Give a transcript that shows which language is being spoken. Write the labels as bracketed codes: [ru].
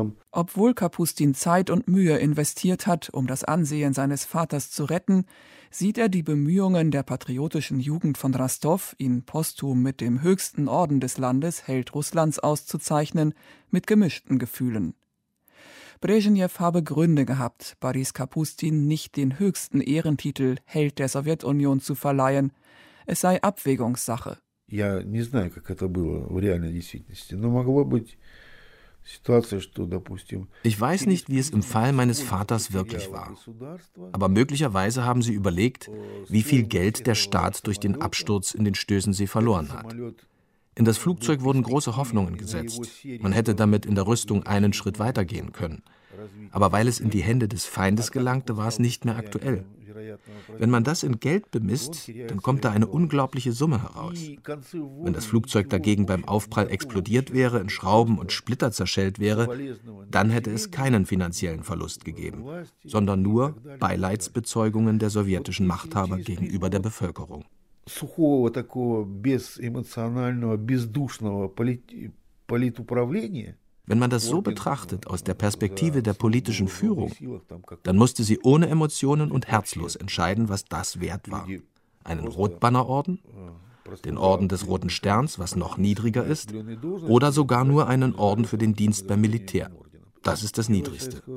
[de] Obwohl Kapustin Zeit und Mühe investiert hat, um das Ansehen seines Vaters zu retten, sieht er die Bemühungen der patriotischen Jugend von Rostow, ihn posthum mit dem höchsten Orden des Landes, Held Russlands, auszuzeichnen, mit gemischten Gefühlen. Brezhnev habe Gründe gehabt, Boris Kapustin nicht den höchsten Ehrentitel Held der Sowjetunion zu verleihen. Es sei Abwägungssache. [ru] Я не знаю, как это было в реальной действительности, но могло быть. [de] Ich weiß nicht, wie es im Fall meines Vaters wirklich war. Aber möglicherweise haben sie überlegt, wie viel Geld der Staat durch den Absturz in den Stößensee verloren hat. In das Flugzeug wurden große Hoffnungen gesetzt. Man hätte damit in der Rüstung einen Schritt weitergehen können. Aber weil es in die Hände des Feindes gelangte, war es nicht mehr aktuell. Wenn man das in Geld bemisst, dann kommt da eine unglaubliche Summe heraus. Wenn das Flugzeug dagegen beim Aufprall explodiert wäre, in Schrauben und Splitter zerschellt wäre, dann hätte es keinen finanziellen Verlust gegeben, sondern nur Beileidsbezeugungen der sowjetischen Machthaber gegenüber der Bevölkerung. [ru] Сухого такого безэмоционального, бездушного политуправления. [de] Wenn man das so betrachtet, aus der Perspektive der politischen Führung, dann musste sie ohne Emotionen und herzlos entscheiden, was das wert war. Einen Rotbannerorden? Den Orden des Roten Sterns, was noch niedriger ist? Oder sogar nur einen Orden für den Dienst beim Militär? Das ist das Niedrigste.